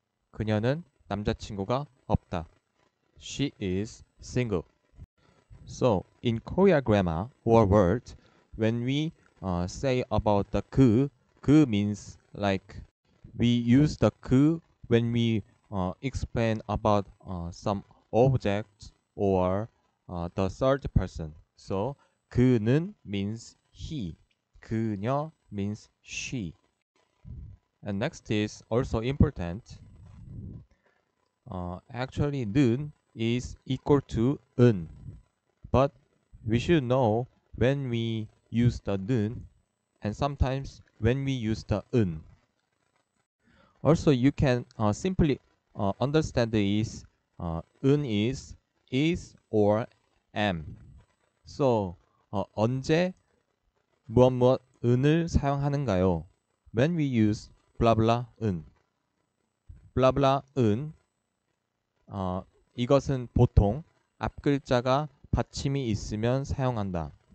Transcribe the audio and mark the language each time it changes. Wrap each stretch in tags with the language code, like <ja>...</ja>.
<ko>그녀는 남자친구가 없다.</ko> <en>She is single. So, in Korean grammar or word, when we say about the 그, 그 means like we use the 그 when we explain about some object or the third person. So 그는 means he, 그녀 means she. And next is also important. Actually, 는 is equal to 은. But we should know when we use the 는 and sometimes when we use the 은. Also, you can simply understand is 은 is or am.</en> <ko>So 언제 무엇무엇 은을 사용하는가요?</ko> <en>When we use blah blah 은. Blah blah 은.</en> <ko>이것은 보통 앞글자가 받침이 있으면 사용한다.</ko>